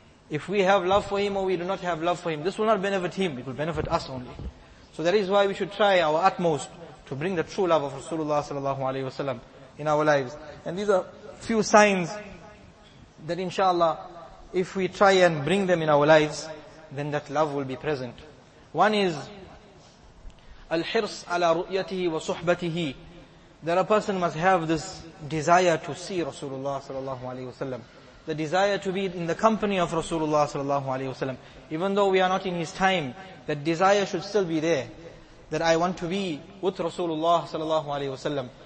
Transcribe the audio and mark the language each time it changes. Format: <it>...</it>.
<en>If we have love for him or we do not have love for him, this will not benefit him, it will benefit us only. So that is why we should try our utmost to bring the true love of Rasulullah sallallahu alayhi wa sallam in our lives. And these are few signs that inshallah, if we try and bring them in our lives, then that love will be present. One is,</en> <ar>الحرص على رؤيته وصحبته,</ar> <en>that a person must have this desire to see Rasulullah sallallahu alaihi wasallam, the desire to be in the company of Rasulullah sallallahu alaihi wasallam. Even though we are not in his time, that desire should still be there, that I want to be with Rasulullah sallallahu alaihi wasallam.</en>